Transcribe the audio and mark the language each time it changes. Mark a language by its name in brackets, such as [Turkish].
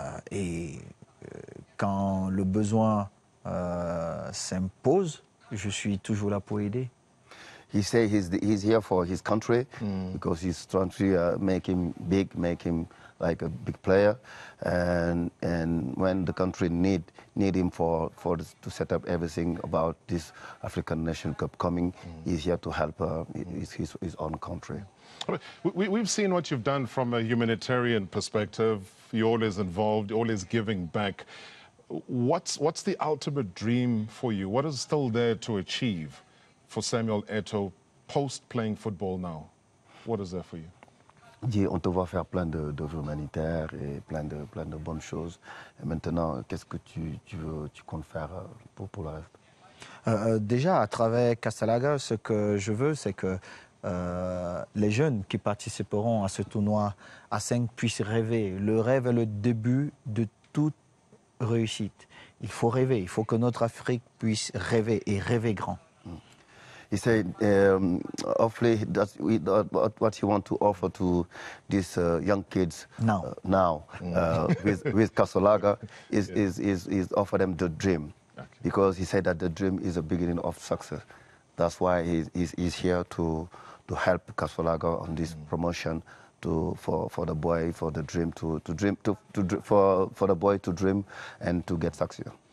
[French] Et quand le besoin s'impose, je suis toujours là pour aider. [English] He said he's here for his country because his country make him big, make him like a big player, and when the country need him for this, to set up everything about this African Nations Cup coming, he's here to help his own country. We've seen what you've done from a humanitarian perspective. You're always involved, always giving back. What's the ultimate dream for you? What is still there to achieve for Samuel Eto'o post playing football now? What is there for you? [French] On te voit faire plein d'œuvres humanitaires et plein de bonnes choses. Et maintenant, qu'est-ce que tu comptes faire pour le reste? Déjà, à travers Castalaga, ce que je veux, c'est que les jeunes qui participeront à ce tournoi à 5 puissent rêver. Le rêve est le début de toute réussite. Il faut rêver, il faut que notre Afrique puisse rêver et rêver grand. [English] He said, hopefully, that we, what he want to offer to these young kids now with Castalaga is offer them the dream. Okay. Because he said that the dream is the beginning of success. That's why he's here to help Castalaga on this promotion for the boy, for the dream to dream for the boy to dream and to get success.